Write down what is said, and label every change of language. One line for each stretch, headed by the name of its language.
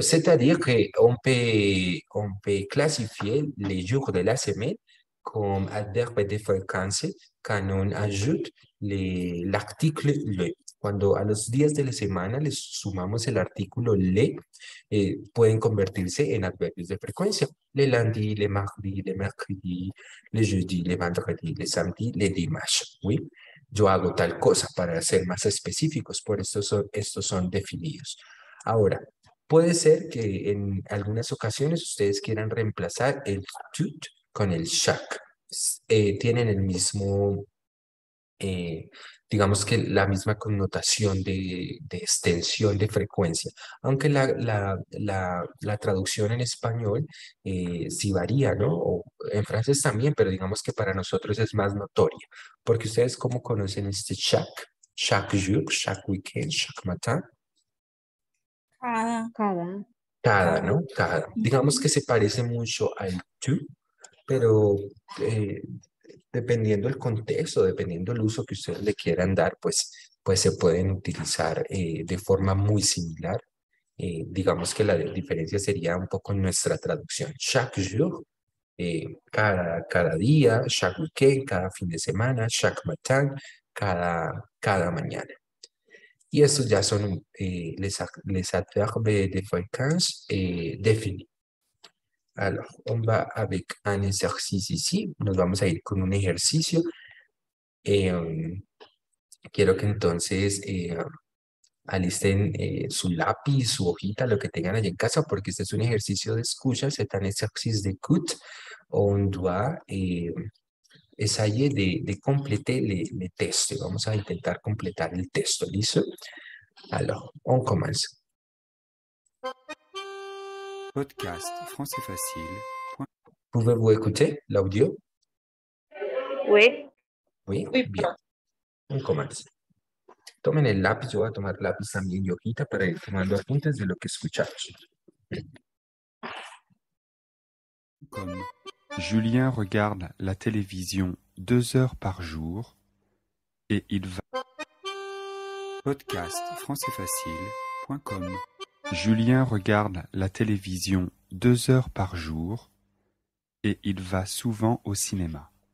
French: C'est-à-dire qu'on peut classifier les jours de la semaine comme adverbe de fréquence quand on ajoute l'article le.
Spanish: Cuando a los días de la semana les sumamos el artículo le, pueden convertirse en adverbios de frecuencia.
French: Le lundi, le mardi, le mercredi, le jeudi, le vendredi, le samedi, le dimanche. ¿Oui?
Spanish: Yo hago tal cosa para ser más específicos, por eso estos son definidos. Ahora, puede ser que en algunas ocasiones ustedes quieran reemplazar el tout con el chaque. Tienen el mismo... digamos que la misma connotación de extensión de frecuencia, aunque la traducción en español sí varía, ¿no? O en francés también, pero digamos que para nosotros es más notoria. Porque ustedes, ¿cómo conocen este chaque?
French: Chaque jour, chaque weekend, chaque matin.
Spanish: Cada. Cada, ¿no? Cada. Digamos que se parece mucho al tu, pero... dependiendo el contexto, dependiendo el uso que ustedes le quieran dar, pues se pueden utilizar de forma muy similar. Digamos que la diferencia sería un poco en nuestra traducción.
French: Chaque jour,
Spanish: cada día,
French: chaque weekend,
Spanish: cada fin de semana,
French: chaque matin,
Spanish: cada mañana. Y estos ya son
French: les adverbes de fréquence définis. Alors, on va avec un exercice ici.
Spanish: Nos vamos a ir con un ejercicio. Quiero que entonces alisten su lápiz, su hojita, lo que tengan allí en casa, porque este es un ejercicio de escucha.
French: C'est un exercice d'écoute. On doit essayer de compléter le test.
Spanish: Vamos a intentar completar el texto. ¿Listo?
French: Alors, on commence. Podcast Français Facile. Pouvez-vous écouter l'audio? Oui. Oui, oui. Bien. On commence.
Spanish: Tomen el lápiz, yo voy a tomar lápiz también y hojita para ir tomando apuntes de lo que escuchamos.
French: Comme Julien regarde la télévision 2 heures par jour et il va. Podcast Français Facile.com. Julien regarde la télévision 2 heures par jour et il va souvent au cinéma.